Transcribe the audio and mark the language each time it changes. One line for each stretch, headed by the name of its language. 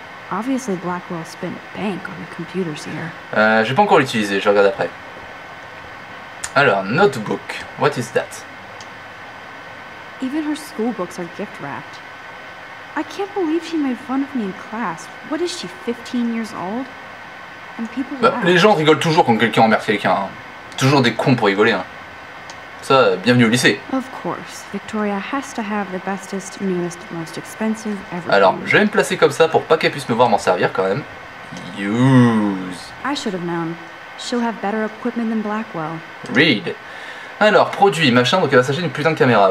English: Obviously, Blackwell spent bank on the computers here.
French: J'ai pas encore utilisé. Je regarde après. Alors, notebook.
English: What is that? Even her school books are gift wrapped. I can't believe she made fun of me in class. What is she, 15 years old? And people laugh.
French: Les gens rigolent toujours quand quelqu'un emmerde quelqu'un. Hein. Toujours des cons pour rigoler. Hein. Ça, bienvenue au lycée.
English: Of course, Victoria has to have the bestest, newest, most expensive ever.
French: Alors, je vais me placer comme ça pour pas qu'elle puisse me voir m'en servir quand même.
English: Use. I should have known. She'll have better equipment than Blackwell. Read.
French: Alors, produit, machin, donc elle va s'acheter une putain de caméra.